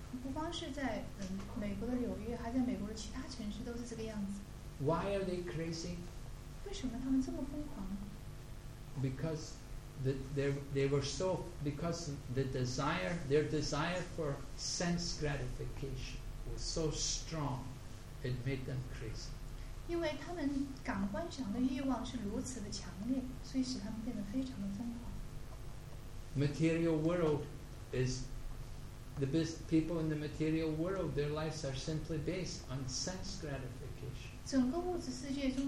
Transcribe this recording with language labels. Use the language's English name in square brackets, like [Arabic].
[Chinese] 不光是在美国的纽约，还在美国的其他城市都是这个样子。 [English] Why are they crazy? [Chinese] 为什么他们这么疯狂? [English] Because they were so because their desire for sense gratification was so strong, it made them crazy. [Chinese] 因为他们感官上的欲望是如此的强烈，所以使他们变得非常的疯狂。 [English] Material world is. The people in the material world, their lives are simply based on sense gratification.